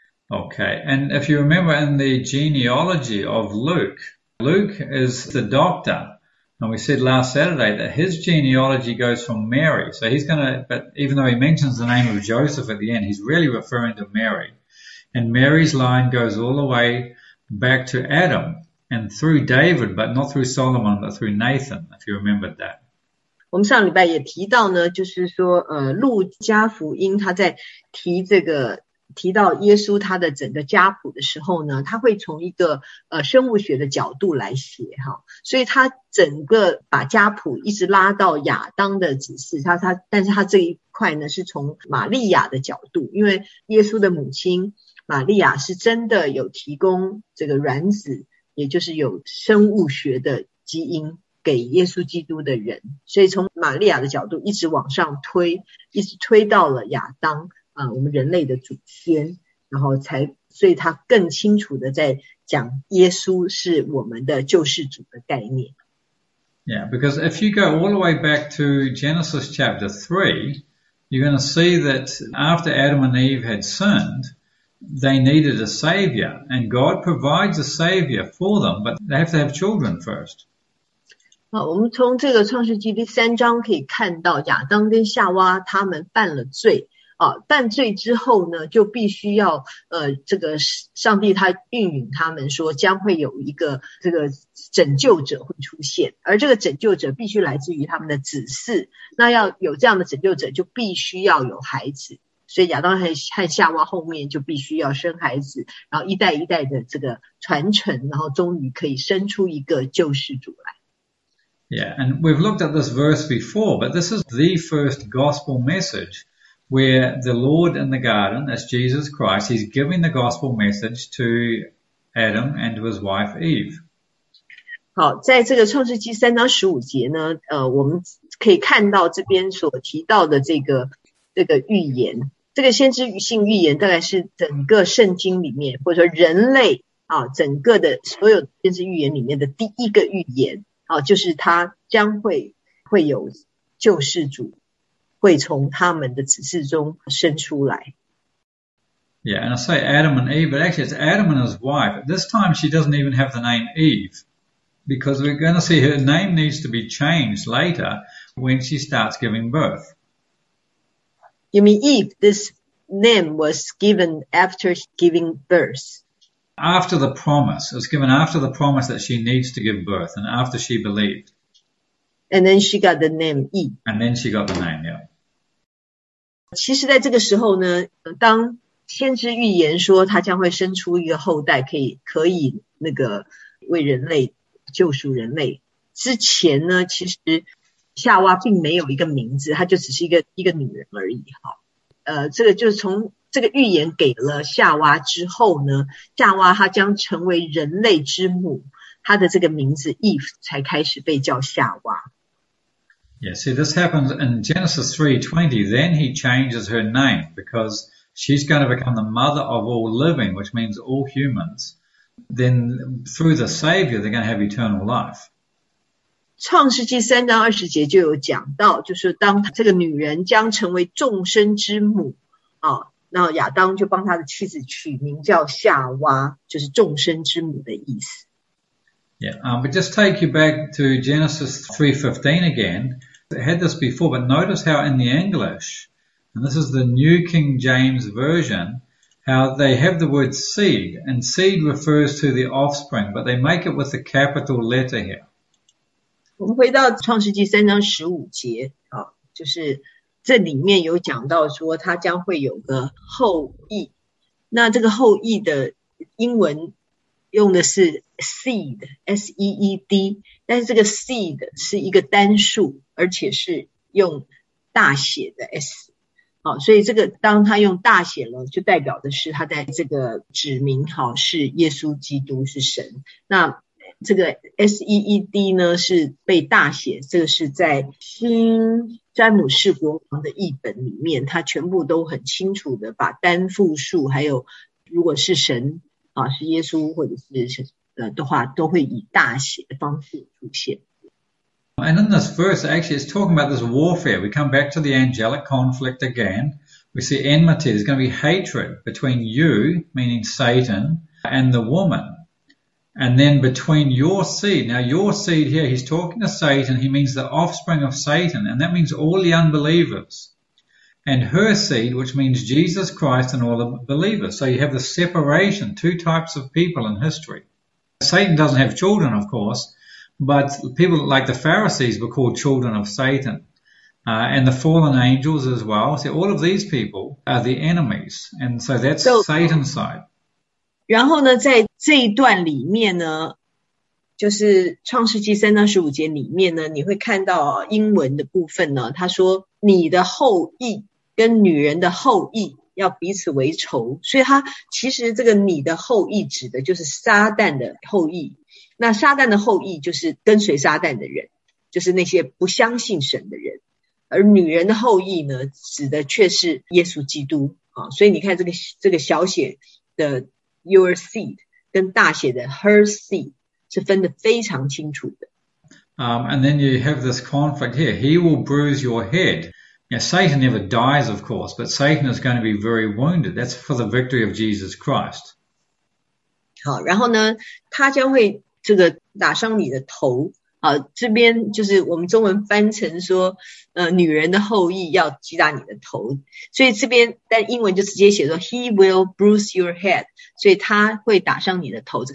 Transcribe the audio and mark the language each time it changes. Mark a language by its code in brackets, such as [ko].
[en] Okay, and if you remember in the genealogy of Luke, Luke is the doctor. And we said last Saturday that his genealogy goes from Mary. So he's gonna, but even though he mentions the name of Joseph at the end, he's really referring to Mary. And Mary's line goes all the way back to Adam and through David, but not through Solomon, but through Nathan, if you remembered that. [zh] 我们上礼拜也提到呢，就是说，路加福音他在提这个提到耶稣他的整个家谱的时候呢，他会从一个生物学的角度来写哈，所以他整个把家谱一直拉到亚当的子嗣，但是他这一块呢是从玛利亚的角度，因为耶稣的母亲玛利亚是真的有提供这个卵子，也就是有生物学的基因。给耶稣基督的人，所以从玛利亚的角度一直往上推，一直推到了亚当啊，我们人类的祖先，然后才，所以他更清楚的在讲耶稣是我们的救世主的概念。 [en] Yeah, because if you go all the way back to Genesis chapter 3, you're going to see that after Adam and Eve had sinned, they needed a savior, and God provides a savior for them, but they have to have children first. [zh] 啊，我们从这个创世纪第三章可以看到，亚当跟夏娃他们犯了罪啊，犯罪之后呢，就必须要这个上帝他应允他们说将会有一个这个拯救者会出现，而这个拯救者必须来自于他们的子嗣，那要有这样的拯救者，就必须要有孩子，所以亚当和夏娃后面就必须要生孩子，然后一代一代的这个传承，然后终于可以生出一个救世主来。 [en] Yeah, and we've looked at this verse before, but this is the first gospel message where the Lord in the garden, that's Jesus Christ, he's giving the gospel message to Adam and to his wife Eve. [zh] 好，在这个创世纪三章十五节呢，我们可以看到这边所提到的这个预言，这个先知性预言，大概是整个圣经里面，或者说人类啊，整个的所有先知预言里面的第一个预言啊，就是他将会有救世主会从他们的子嗣中生出来。 [en] Yeah, and I say Adam and Eve, but actually it's Adam and his wife. This time she doesn't even have the name Eve, because we're going to see her name needs to be changed later when she starts giving birth. You mean Eve, this name was given after giving birth. After the promise, it's given after the promise that she needs to give birth and after she believed. And then she got the name Eve. And then she got the name, yeah. [zh] 其实在这个时候呢，当先知预言说他将会生出一个后代，可以那个为人类救赎人类之前呢，其实夏娃并没有一个名字，她就只是一个女人而已，哈。这个就是从这个预言给了夏娃之后呢，夏娃她将成为人类之母，她的这个名字 Eve 才开始被叫夏娃。 [en] Yeah, see, this happens in Genesis 3:20. Then he changes her name because she's going to become the mother of all living, which means all humans. Then through the Savior, they're going to have eternal life. [zh] 创世纪三章二十节就有讲到，就是当这个女人将成为众生之母啊。然后亚当就帮他的妻子取名叫夏娃，就是众生之母的意思。 [en] Yeah, but just take you back to Genesis 3:15 again. I had this before, but notice how in the English, and this is the New King James Version, how they have the word seed, and seed refers to the offspring, but they make it with a capital letter here. [zh] 我们回到创世纪三章十五节啊，就是。这里面有讲到说，他将会有个后裔。那这个后裔的英文用的是 seed, S-E-E-D，但是这个 seed 是一个单数，而且是用大写的 S。好，所以这个当他用大写了，就代表的是他在这个指明，好，是耶稣基督是神。那这个 S-E-E-D 呢，是被大写，这个是在新詹姆士国王的译本里面，他全部都很清楚的把单复数，还有如果是神。啊，是耶稣或者是的话，都会以大写的方式出现。 [en] And in this verse, actually, it's talking about this warfare. We come back to the angelic conflict again. We see enmity. There's going to be hatred between you, meaning Satan, and the woman. And then between your seed. Now, your seed here, he's talking to Satan. He means the offspring of Satan. And that means all the unbelievers. And her seed, which means Jesus Christ and all the believers. So you have the separation, two types of people in history. Satan doesn't have children, of course. But people like the Pharisees were called children of Satan, and the fallen angels as well. See, all of these people are the enemies, and so that's So， Satan's side. [zh] 然后呢，在这一段里面呢，就是创世纪3章15节里面呢，你会看到英文的部分呢，他说你的后裔跟女人的后裔要彼此为仇，所以他其实这个你的后裔指的就是撒旦的后裔，那撒旦的后裔就是跟随撒旦的人，就是那些不相信神的人，而女人的后裔呢，指的却是耶稣基督。啊，所以你看这个小写的 [en] your seed [zh] 跟大写的 [en] her seed [zh] 是分得非常清楚的。 [en] And then you have this conflict here. He will bruise your head. Now, Satan never dies, of course, but Satan is going to be very wounded. That's for the victory of Jesus Christ. [zh] 好，然后呢，他将会这个打伤你的头。好，这边就是我们中文翻成说，女人的后裔要击打你的头，所以这边但英文就直接写说 [en] He will bruise your head， [zh] 所以他会打伤你的头。